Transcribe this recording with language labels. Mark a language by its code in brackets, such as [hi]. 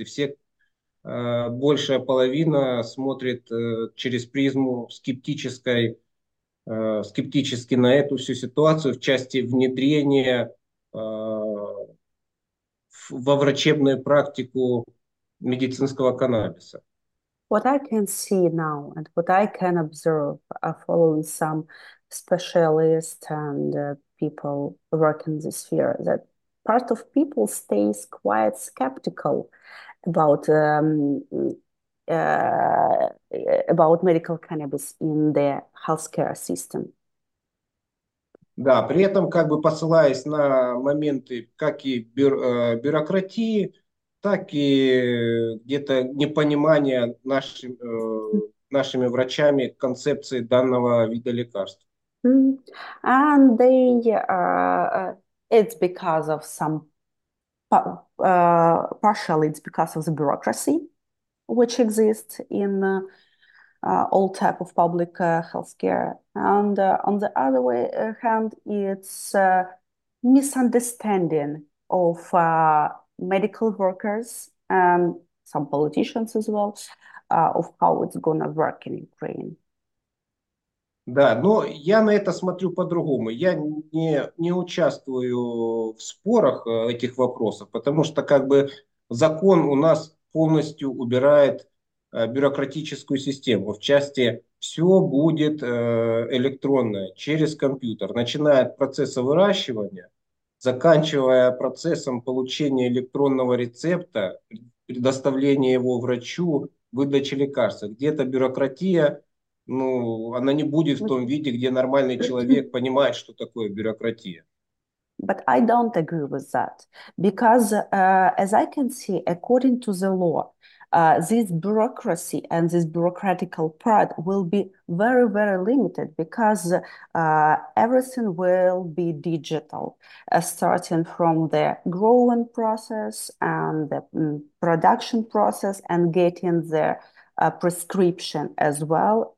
[ru] И все, большая половина смотрит через призму скептически на эту всю ситуацию в части внедрения во врачебную практику медицинского каннабиса. [en] What I can see now and what I can observe following some specialists and people working in this sphere, that part of people stays quite skeptical about medical cannabis in the healthcare system. [ru] Да, при этом как бы посылаясь на моменты как и бюрократии, так и где-то непонимание нашими врачами концепции данного вида лекарств. [en] And they it's because of some partially it's because of the bureaucracy which exists in all type of public healthcare. And on the other way hand, it's misunderstanding of medical workers and some politicians as well of how it's gonna work in Ukraine. [ru] Да, но я на это смотрю по-другому. Я не участвую в спорах этих вопросов, потому что как бы закон у нас полностью убирает бюрократическую систему. В части все будет электронное, через компьютер, начиная от процесса выращивания, заканчивая процессом получения электронного рецепта, предоставления его врачу, выдачи лекарства. Где-то бюрократия. Ну, она не будет в том виде, где нормальный человек понимает, что такое бюрократия. [en] But I don't agree with that because, as I can see, according to the law, this bureaucracy and this bureaucratical part will be very, very limited because everything will be digital, starting from the growing process and the production process and getting the prescription as well.